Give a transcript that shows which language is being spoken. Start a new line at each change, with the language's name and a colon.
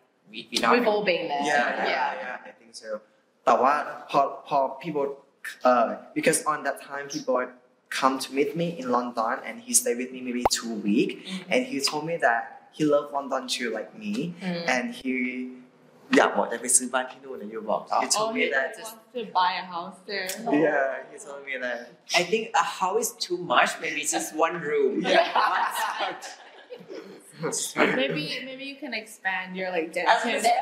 English: We've all been there. Yeah. I think so. But what? How people? Because on that time, people come to meet me in London, and he stayed with me maybe 2 weeks, and he told me that he loved London too, like me, and he.
Thai: อยากบอกจะไปซื้อบ้านที่นู่นนะอยู่บอก
English: he told me that just to buy a house there yeah he told me that I think a house is too much maybe just one room maybe you can expand your like density